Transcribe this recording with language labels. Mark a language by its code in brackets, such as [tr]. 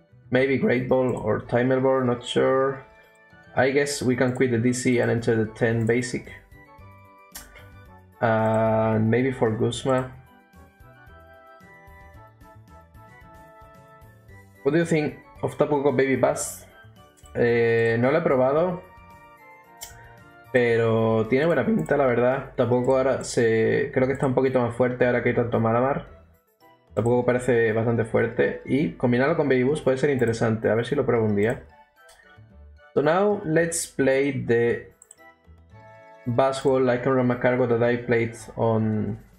[en] Maybe Great Ball or Timer Ball, not sure. I guess we can quit the DC and enter the 10 basic. Maybe for Guzma. What do you think of Tapu Koko Baby Bass? [es] No lo he probado, pero tiene buena pinta, la verdad. Tampoco ahora se... Creo que está un poquito más fuerte ahora que hay tanto Malamar. Tampoco parece bastante fuerte. Y combinarlo con Baby Boost puede ser interesante. A ver si lo pruebo un día. [en] So now, let's play the Basketball Lycanroc like Macargo that I played on...